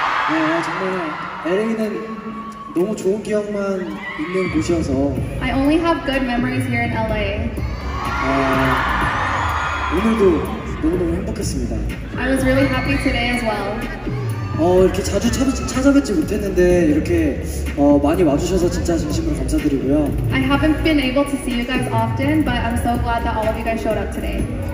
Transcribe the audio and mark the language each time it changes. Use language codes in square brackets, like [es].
[ko] 네, 정말 LA는 너무 좋은 기억만 있는 곳이어서 [en] I only have good memories here in LA. [ko] 오늘도 너무너무 행복했습니다. [en] I was really happy today as well. [ko] 이렇게 자주 찾아뵙지 못했는데 이렇게 많이 와주셔서 진짜 진심으로 감사드리고요. [en] I haven't been able to see you guys often, but I'm so glad that all of you guys showed up today.